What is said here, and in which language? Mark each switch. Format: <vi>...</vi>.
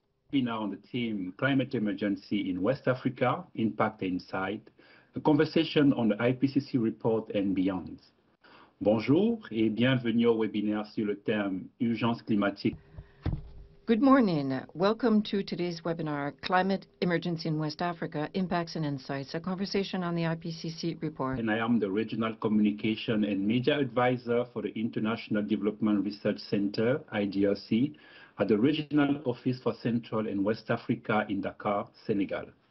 <en>Been on the team Climate Emergency in West Africa, Impact and Insight, a conversation on the IPCC report and beyond.</en> <fr>Bonjour et bienvenue au webinaire sur le thème urgence climatique.</fr> <en>Good morning. Welcome to today's webinar, Climate Emergency in West Africa, Impacts and Insights, a conversation on the IPCC report. And I am the Regional Communication and Media Advisor for the International Development Research Center, IDRC, at the Regional Office for Central and West Africa in Dakar, Senegal.</en>